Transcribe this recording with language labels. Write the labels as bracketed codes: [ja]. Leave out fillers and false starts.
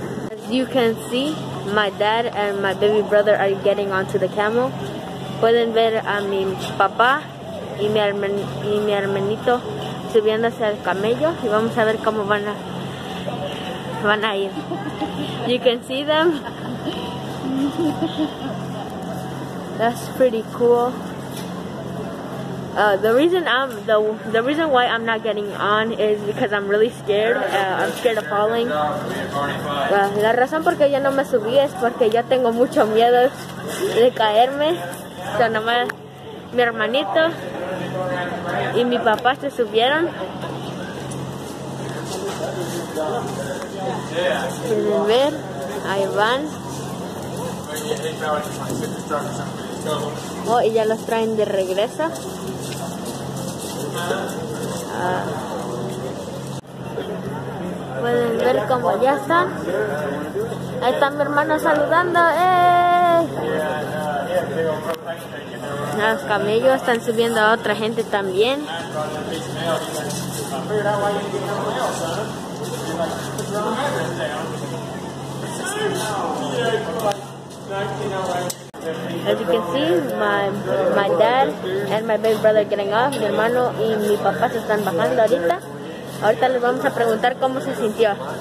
[en] as you can see, my dad and my baby brother are getting onto the camel. [es] Pueden ver a mi papá y mi hermanito subiéndose al camello y vamos a ver cómo van a ir. [en] You can see them. That's pretty cool. The reason why I'm not getting on is because I'm really scared. I'm scared of falling. [es] La razón por qué ya no me subí es porque ya tengo mucho miedo de caerme. So nomás mi hermanito y mi papá se subieron. Pueden ver, ahí van. Oh, y ya los traen de regreso. Pueden ver cómo ya están. Ahí está mi hermano saludando. ¡Ey! Los camellos están subiendo a otra gente también. [en] As you can see, my dad and my baby brother getting off. [es] Mi hermano y mi papá se están bajando ahorita. Ahorita les vamos a preguntar cómo se sintió.